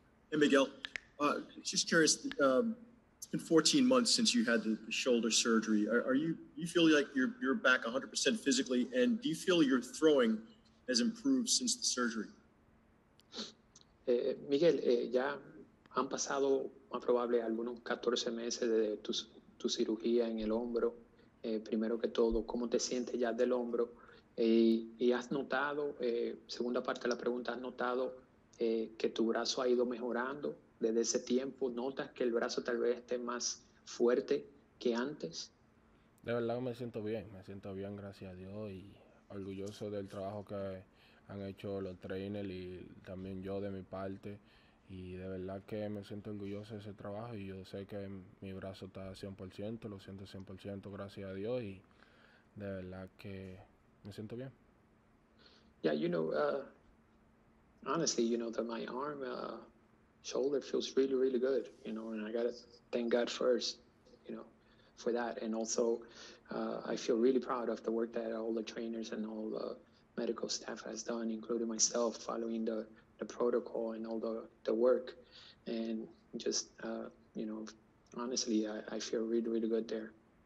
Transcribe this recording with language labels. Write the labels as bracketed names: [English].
[English] Hey, Miguel. Just curious, it's been 14 months since you had the shoulder surgery. Are you feel like you're back 100% physically, and do you feel your throwing has improved since the surgery? [Spanish] Miguel, ya han pasado más probable algunos 14 meses de tu cirugía en el hombro. Primero que todo, ¿cómo te sientes ya del hombro? Y has notado, segunda parte de la pregunta, ¿has notado que tu brazo ha ido mejorando desde ese tiempo? ¿Notas que el brazo tal vez esté más fuerte que antes? De verdad me siento bien, gracias a Dios, y orgulloso del trabajo que han hecho los trainers y también yo de mi parte, y de verdad que me siento orgulloso de ese trabajo y yo sé que mi brazo está 100%, lo siento 100%, gracias a Dios, y de verdad que me siento bien. [English] Yeah, you know, honestly, you know, that my arm, shoulder feels really, really good, you know, and I gotta thank God first, you know, for that, and also I feel really proud of the work that all the trainers and all the medical staff has done, including myself, following the protocol and all the work, and just, you know, honestly, I feel really, really good there.